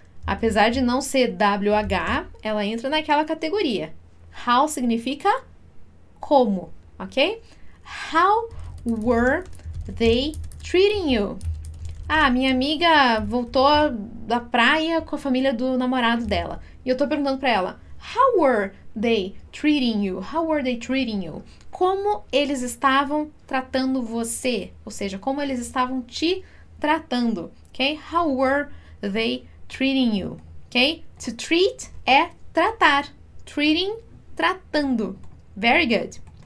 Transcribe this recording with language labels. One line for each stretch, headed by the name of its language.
Portuguese: Apesar de não ser WH, ela entra naquela categoria.
English: How
Portuguese: significa como,
English: ok? How were they treating you?
Portuguese: Ah, minha amiga voltou da praia com a família do namorado dela. E eu tô perguntando pra ela,
English: how were they treating you? How were they treating you?
Portuguese: Como eles estavam tratando você? Ou seja, como eles estavam te tratando, ok?
English: How were they treating you, ok? To treat
Portuguese: é tratar.
English: Treating,
Portuguese: tratando.
English: Very good.